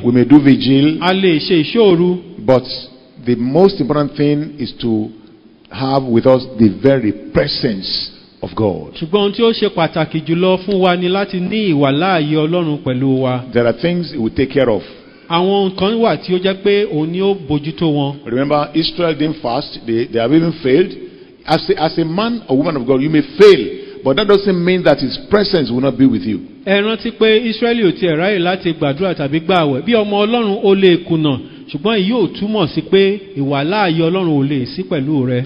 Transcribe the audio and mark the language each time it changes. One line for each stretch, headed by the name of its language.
English: We may do vigil.
Yoruba: A le se isoru.
English: But the most important thing is to have with us the very presence of God.
Yoruba: Ṣugbọn ti o se pataki julo fun wa ni lati ni iwalaye Olorun pelu wa.
English: There are things he will take care of.
Yoruba: Àwọn nkan wà tí ó jẹ́ pé òun ni ó bójútó wọn.
English: Remember, Israel didn't fast, they have even failed. As a man or woman of God, you may fail, but that doesn't mean that his presence will not be with you.
Yoruba: Ẹ rántí pé Israeli ò tiẹ̀ ráyè láti gbàdúrà tàbí gbà àwẹ̀. Bí ọmọ Ọlọ́run ó lè kùnà, ṣùgbọ́n èyí ò túmọ̀ sí pé ìwàláàyè Ọlọ́run ò lè sí pẹ̀lú rẹ.